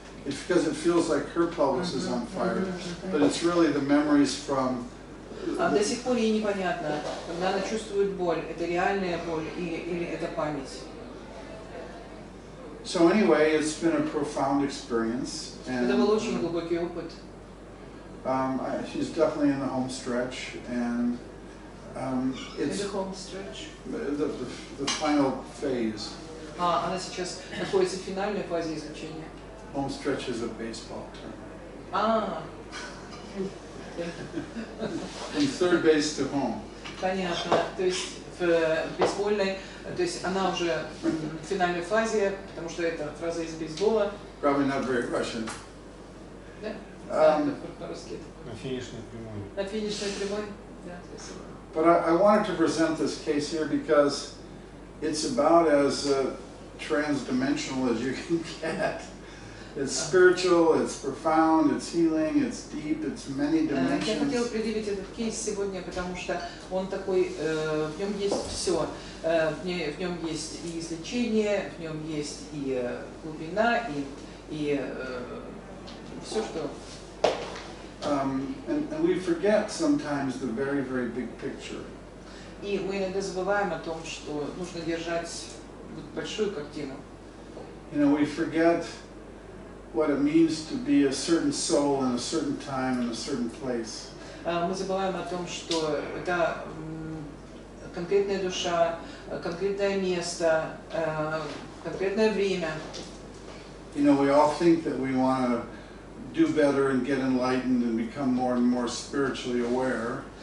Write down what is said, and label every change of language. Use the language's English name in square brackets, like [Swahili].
[English] It's because it feels like her pelvis is on fire, but it's really the memories from. [Russian] До сих пор ей непонятно, когда она чувствует боль, это реальная боль или это память. [English] So anyway, it's been a profound experience. [Russian] Это был очень глубокий опыт. [English] She's definitely in the home stretch, and it's the home stretch. The final phase. [Russian] Она сейчас находится в финальной фазе излечения. [English] Home stretch is a baseball term. From third base to home. [Russian] Понятно. То есть в бейсбольной, то есть она уже в финальной фазе, потому что это фраза из бейсбола. [English] Probably not very Russian. [Russian] Да, по-русски. На финишной прямой. На финишной прямой, да. [English] But I wanted to present this case here because it's about as trans-dimensional as you can get. It's spiritual, it's profound, it's healing, it's deep, it's many dimensions. [Russian] Я хотела предъявить этот кейс сегодня, потому что он такой, в нем есть все. В нем есть и излечение, в нем есть и глубина, и все, что... [English] And we forget sometimes the very, very big picture. [Russian] И мы иногда забываем о том, что нужно держать большую картину. [English] You know, we forget what it means to be a certain soul in a certain time in a certain place. [Russian] Мы забываем о том, что это конкретная душа, конкретное место, конкретное время. [English] You know, we all think that we want to do better and get enlightened and become more and more spiritually aware.